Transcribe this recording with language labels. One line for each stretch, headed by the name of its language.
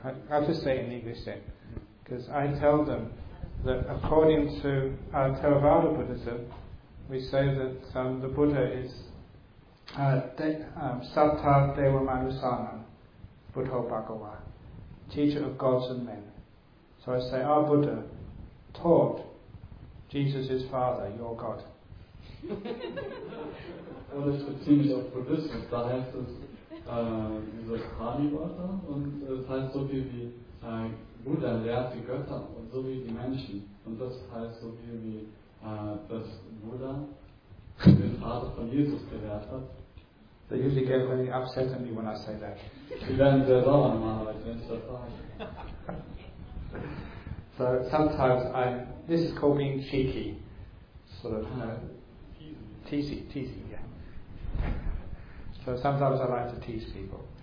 English: I'll just say it in English then, because I tell them that according to our Theravada Buddhism, we say that the Buddha is
Pali: Satta Deva Manusana, Buddha Bhagava,
English: teacher of gods and men. So I say, our Buddha taught Jesus' father, your God. Well, it's a teaching of Buddhism, that has this.
German: Dieses Kali-Wörter und es heißt so viel wie Buddha lehrt die Götter und so wie die Menschen. Und das heißt so viel wie, dass Buddha den Vater von Jesus gelehrt hat.
English: They usually get very upset at me when I say that.
German: Sie werden sehr sauer normalerweise, wenn ich das sage.
English: So sometimes this is called being cheeky. Sort of, teasy, yeah. So sometimes I like to tease people.